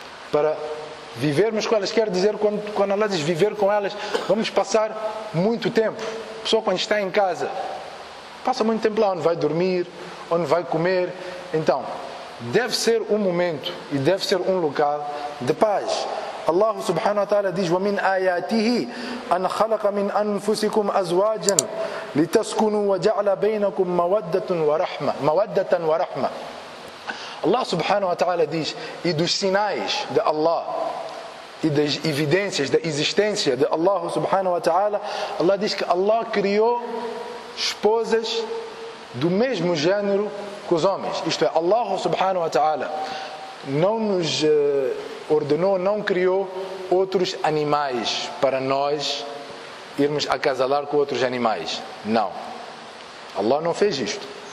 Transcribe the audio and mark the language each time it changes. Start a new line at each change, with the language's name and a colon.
Portuguese: Para vivermos com elas, quer dizer, quando Allah diz viver com elas, vamos passar muito tempo. A pessoa, quando está em casa, passa muito tempo lá, onde vai dormir, onde vai comer. Então, deve ser um momento e deve ser um local de paz. Allah subhanahu wa ta'ala diz:
Arabic: وَمِنْ آيَاتِهِ أَنْ خَلَقَ مِنْ أَنْفُسِكُمْ أَزْوَاجًا لِتَسْكُنُوا وَجَعْلَ بَيْنَكُمْ مَوَدَّةً وَرَحْمَةً مَوَدَّةً وَرَحْمَةً.
Portuguese: Allah subhanahu wa ta'ala diz: e dos sinais de Allah e das evidências da existência de Allah subhanahu wa ta'ala, Allah diz que Allah criou esposas do mesmo género que os homens. Isto é, Allah subhanahu wa ta'ala não nos ordenou, não criou outros animais para nós irmos acasalar com outros animais. Não. Allah não fez isto.